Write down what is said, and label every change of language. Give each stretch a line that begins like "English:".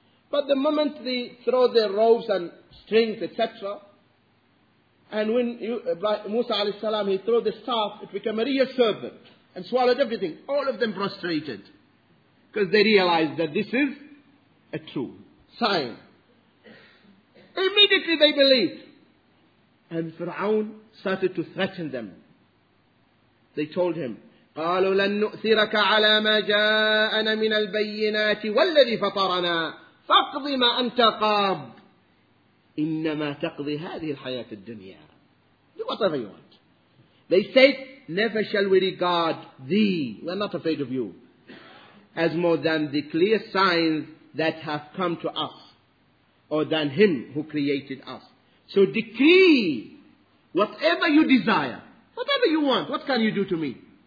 English: But the moment they throw their robes and strings, etc., and when Musa alayhi salam, he threw the staff, it became a real serpent and swallowed everything. All of them prostrated. Because they realized that this is a true sign. Immediately they believed. And Fir'aun started to threaten them. They told him,
Arabic: قَالُوا لَنْ نُؤْثِرَكَ عَلَى مَا جَاءَنَا مِنَ الْبَيِّنَاتِ وَالَّذِي فَطَرَنَا فَاقْضِ مَا أَنْتَ قَابٍ إِنَّمَا تَقْضِي هَذِهِ الْحَيَاةِ الدُّنْيَا.
English: Do whatever you want. They said, never shall we regard thee, we are not afraid of you, as more than the clear signs that have come to us, or than him who created us. So decree whatever you desire, whatever you want, what can you do to me?